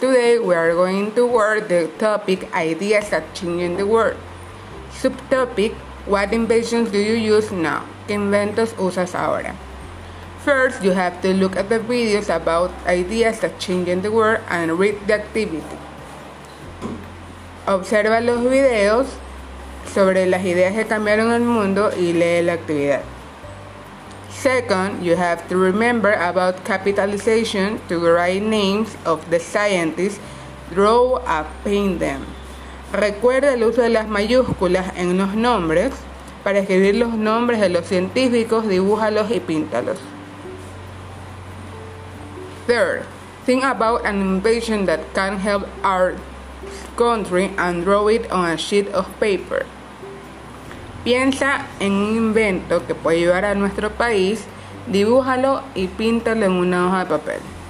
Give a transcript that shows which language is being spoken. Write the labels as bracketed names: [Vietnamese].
[English] Today we are going to work the topic Ideas That Change the World. Subtopic, what inventions do you use now? [Spanish] ¿Qué inventos usas ahora? [English] First, you have to look at the videos about ideas that change the world and read the activity. [Spanish] Observa los videos sobre las ideas que cambiaron el mundo y lee la actividad. [English] Second, you have to remember about capitalization to write names of the scientists, draw and paint them. [Spanish] Recuerda el uso de las mayúsculas en los nombres. Para escribir los nombres de los científicos, dibújalos y píntalos. [English] Third, think about an invention that can help our country and draw it on a sheet of paper. [Spanish] Piensa en un invento que puede ayudar a nuestro país, dibújalo y píntalo en una hoja de papel.